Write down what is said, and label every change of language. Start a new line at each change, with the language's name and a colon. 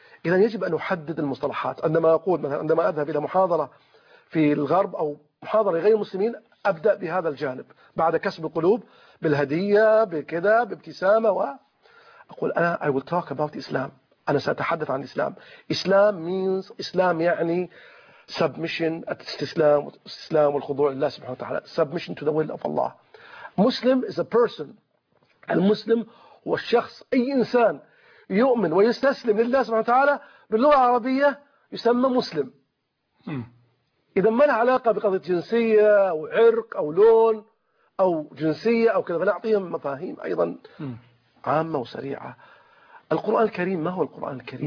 Arabic: إذن يجب أن أحدد المصطلحات. عندما أقول مثلا، عندما أذهب إلى محاضرة في الغرب أو محاضرة لغير المسلمين، أبدأ بهذا الجانب بعد كسب القلوب بالهدية بكذا بابتسامة، وأقول أنا
English: I will talk about Islam.
Arabic: أنا سأتحدث عن الإسلام. إسلام means، إسلام يعني submission، استسلام، استسلام والخضوع لله سبحانه وتعالى.
English: submission to the will of Allah. مسلم is a person.
Arabic: المسلم هو الشخص، أي إنسان يؤمن ويستسلم لله سبحانه وتعالى باللغة العربية يسمى مسلم. إذا ما له علاقة بقضية جنسية أو عرق أو لون أو جنسية أو كذا. فنعطيهم مفاهيم أيضا عامة وسريعة. القرآن الكريم، ما هو القرآن الكريم؟